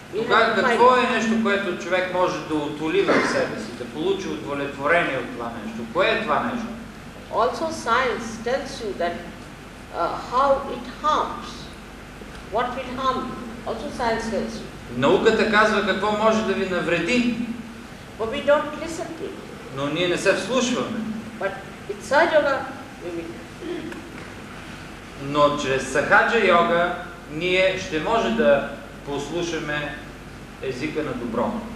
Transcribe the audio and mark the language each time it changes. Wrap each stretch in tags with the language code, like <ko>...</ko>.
<bg>Какво е нещо, което човек може да утоли в себе си, да получи удовлетворение от това нещо? Кое е това нещо?</bg> <en>Also science tells you that how it harms. What will harm? Also science tells you.</en> <bg>Науката казва какво може да ви навреди.</bg> <en>But we don't listen to it.</en> <bg>Но ние не се вслушваме.</bg> <en>But it's Sahaja Yoga, we will.</en> <bg>Но чрез Сахаджа йога ние ще може да послушаме езика на добро.</bg>